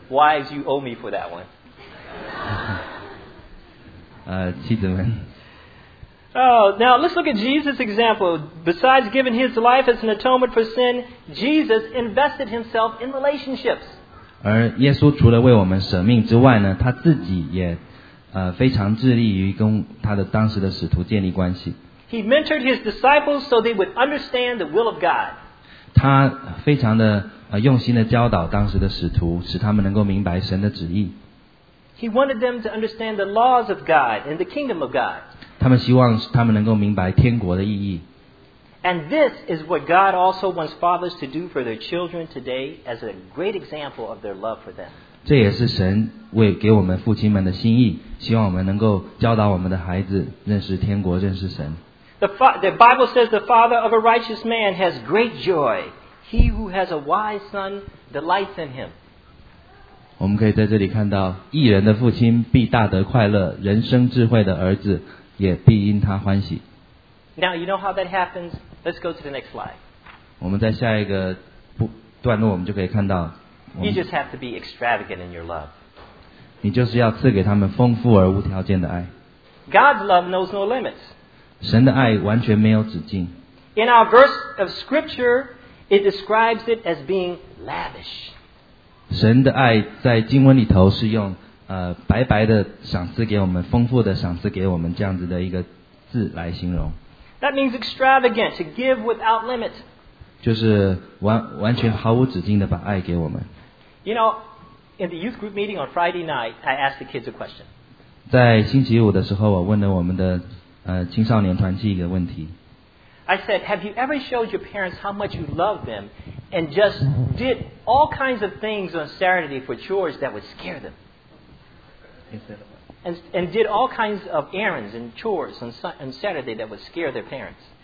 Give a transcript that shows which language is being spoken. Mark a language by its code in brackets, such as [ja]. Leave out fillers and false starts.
[en] Wives, you owe me for that one. [zh] 妻子们。 [en] Oh, now let's look at Jesus' example. Besides giving his life as an atonement for sin, Jesus invested himself in relationships. [zh] 而耶稣除了为我们舍命之外呢，他自己也非常致力于跟他的当时的使徒建立关系。 [en] He mentored his disciples so they would understand the will of God. [zh] 他非常的用心的教导当时的使徒，使他们能够明白神的旨意。 [en] He wanted them to understand the laws of God and the kingdom of God. [zh] 他们希望他们能够明白天国的意义。 [en] And this is what God also wants fathers to do for their children today as a great example of their love for them. [zh] 这也是神为给我们父亲们的心意，希望我们能够教导我们的孩子认识天国，认识神。 [en] The Bible says the father of a righteous man has great joy. He who has a wise son delights in him. [zh] 我们可以在这里看到，义人的父亲必大得快乐，人生智慧的儿子也必因他欢喜。 [en] Now you know how that happens. Let's go to the next slide. [zh] 我们在下一个段落，我们就可以看到。 [en] You just have to be extravagant in your love. [zh] 你就是要赐给他们丰富而无条件的爱。 [en] God's love knows no limits. [zh] 神的爱完全没有止境。 [en] In our verse of scripture, it describes it as being lavish. [zh] 神的爱在经文里头是用白白的赏赐给我们，丰富的赏赐给我们，这样子的一个字来形容。 [en] That means extravagant, to give without limit. [zh] 就是完全毫无止境的把爱给我们。 [en] You know, in the youth group meeting on Friday night, I asked the kids a question. [zh] 在星期五的时候，我问了我们的青少年团契一个问题。 [en] I said, have you ever showed your parents how much you love them and just did all kinds of things on Saturday for chores that would scare them? And did all kinds of errands and chores on Saturday that would scare their parents.